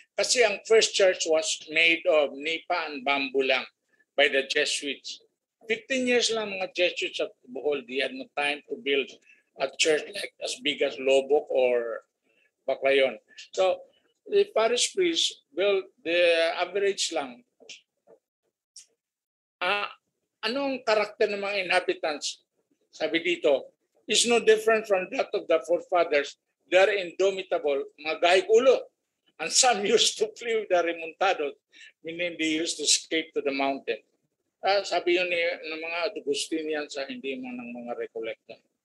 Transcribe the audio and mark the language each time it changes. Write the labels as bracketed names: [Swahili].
[Filipino] Kasi ang [English] first church was made of nipa and bamboo lang by the Jesuits. 15 years lang mga Jesuits at Bohol, they had no time to build a church like as big as Lobok or Baclayon. So the parish priest built the average lang. [Filipino] Anong karakter ng mga inhabitants? Sabi dito, [English] is no different from that of the forefathers. They are indomitable, [Cebuano] magahig ulo. [English] And some used to flee with the remontados, meaning they used to escape to the mountain. [Filipino] Sabi yun ng mga Augustinian sa hindi mo ng mga Recollecta.